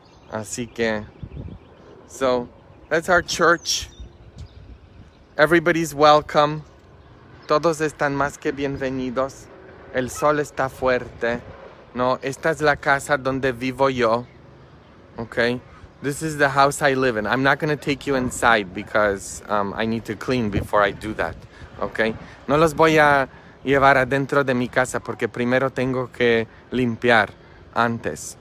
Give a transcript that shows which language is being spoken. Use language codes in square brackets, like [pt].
[es] Así que... [en] So, that's our church. Everybody's welcome. [es] Todos están más que bienvenidos. El sol está fuerte, ¿no? Esta es la casa donde vivo yo, ¿ok? [en] This is the house I live in. I'm not going to take you inside because I need to clean before I do that. Okay? [es] No los voy a llevar adentro de mi casa porque primero tengo que limpiar antes.